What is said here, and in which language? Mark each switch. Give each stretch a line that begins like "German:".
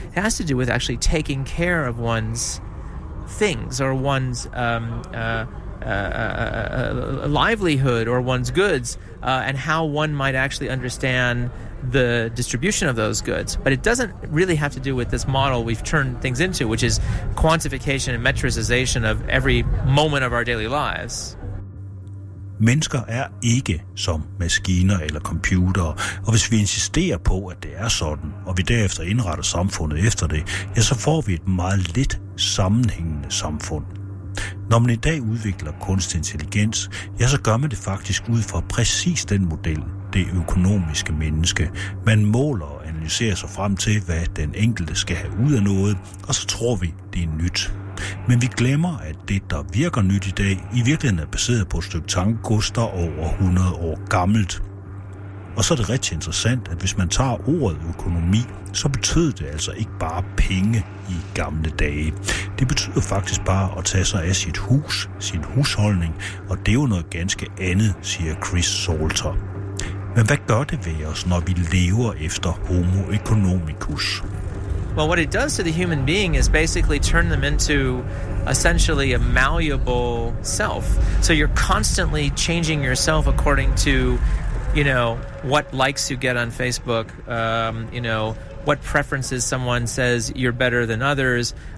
English: It has to do with actually taking care of one's things or one's livelihood or one's goods and how one might actually understand the distribution of those goods. But it doesn't really have to do with this model we've turned things into, which is quantification and metricization of every moment of our daily lives.
Danish: Mennesker er ikke som maskiner eller computere, og hvis vi insisterer på, at det er sådan, og vi derefter indretter samfundet efter det, ja, så får vi et meget lidt sammenhængende samfund. Når man i dag udvikler kunstig intelligens, ja, så gør man det faktisk ud fra præcis den model, det økonomiske menneske. Man måler og analyserer sig frem til, hvad den enkelte skal have ud af noget, og så tror vi, det er nyt. Men vi glemmer, at det, der virker nyt i dag, i virkeligheden er baseret på et stykke tankegods, der er over 100 år gammelt. Og så er det rigtig interessant, at hvis man tager ordet økonomi, så betød det altså ikke bare penge i gamle dage. Det betyder faktisk bare at tage sig af sit hus, sin husholdning, og det er jo noget ganske andet, siger Chris Salter. Men hvad gør det ved os, når vi lever efter homo economicus?
English: Well, what it does to the human being is basically turn them into essentially a malleable self. So you're constantly changing yourself according to you know, what likes you get on Facebook, you know, what preferences someone says you're better than others.